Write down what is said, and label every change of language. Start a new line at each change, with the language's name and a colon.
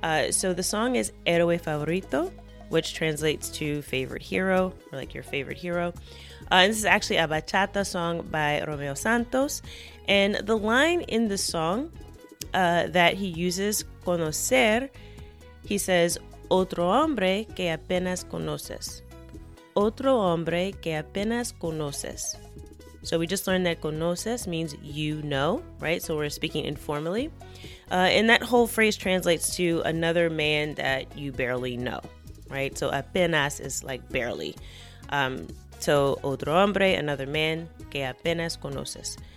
English: So the song is Héroe Favorito, which translates to favorite hero, or like your favorite hero. And this is actually a bachata song by Romeo Santos. And the line in the song that he uses, conocer, he says,
Spanish: otro hombre que apenas conoces. Otro hombre que apenas conoces.
English: So we just learned that conoces means you know, right? So we're speaking informally. And that whole phrase translates to another man that you barely know, right? So apenas is like barely. So
Spanish: otro hombre,
English: another man,
Spanish: que apenas conoces.